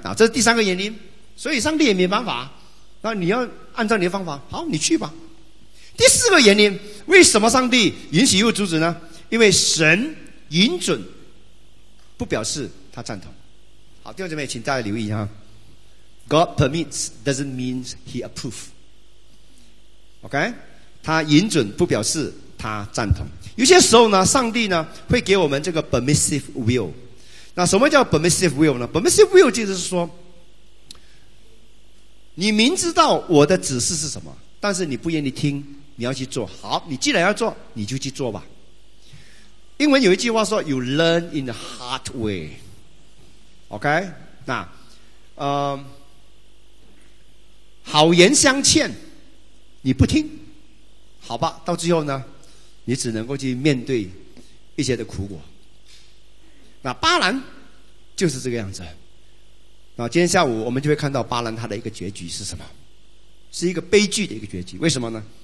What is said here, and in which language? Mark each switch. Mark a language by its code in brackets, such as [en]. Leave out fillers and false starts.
[zh] 那这是第三个原因，所以上帝也没办法，那你要按照你的方法，好，你去吧。第四个原因，为什么上帝允许又阻止呢？因为神允准不表示他赞同。好，弟兄姐妹，请大家留意哈。 [en] God permits doesn't mean he approves. OK? [zh] 他允准不表示他赞同。有些时候呢，上帝呢会给我们这个 permissive will。那什么叫 permissive will 呢？permissive will 就是说，你明知道我的指示是什么，但是你不愿意听，你要去做。好，你既然要做，你就去做吧。英文有一句话说 [en] You learn in the hard way。 OK? [zh] 那好言相劝你不听，好吧，到最后呢你只能够去面对一些的苦果。那巴兰就是这个样子。那今天下午我们就会看到巴兰他的一个结局是什么，是一个悲剧的一个结局。为什么呢？